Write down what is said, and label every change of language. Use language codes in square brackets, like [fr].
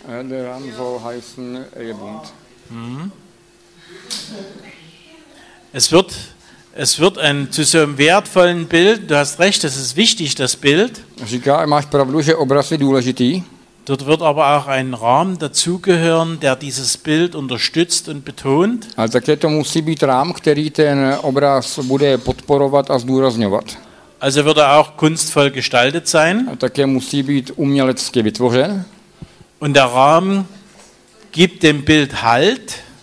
[de] Der Rahm soll heißen Ehebund. Es wird ein zu so einem wertvollen Bild, du hast recht, es ist wichtig, das Bild. [cs] Říká, máš pravdu, že obraz je důležitý. [de] Dort wird aber auch ein Rahmen dazugehören, der dieses Bild unterstützt und betont. [cs] Ale také to musí být rám, který ten obraz bude podporovat a zdůrazňovat. [de] Also wird er auch kunstvoll gestaltet sein. [cs] A také musí být umělecky vytvořen. [de] Und der Rahmen gibt dem Bild Halt.